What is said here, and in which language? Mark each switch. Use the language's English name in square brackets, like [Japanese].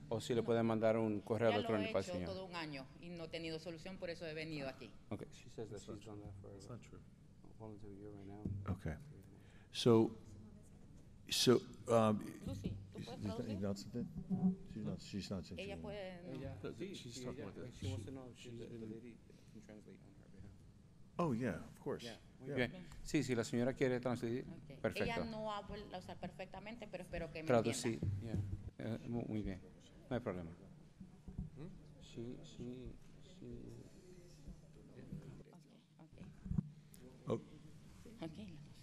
[Spanish] O si le pueden mandar un correo electrónico al señor. Ya lo he hecho todo un año y no he tenido solución, por eso he venido aquí. [English] Okay, she says that she's done that for a volunteer year right now. Okay. So So, [Spanish] Lucy, ¿tú puedes traducir? [English] She's not, she's not. [Spanish] Ella puede, no. [English] She's talking about that. She wants to know if she's the lady can translate on her behalf. Oh, yeah, of course. Yeah. [Spanish] Sí, sí, la señora quiere traducir. Perfecto. Ella no habla usar perfectamente, pero espero que me entienda. Traducir, yeah. Muy bien. No hay problema. Sí. [English] Okay.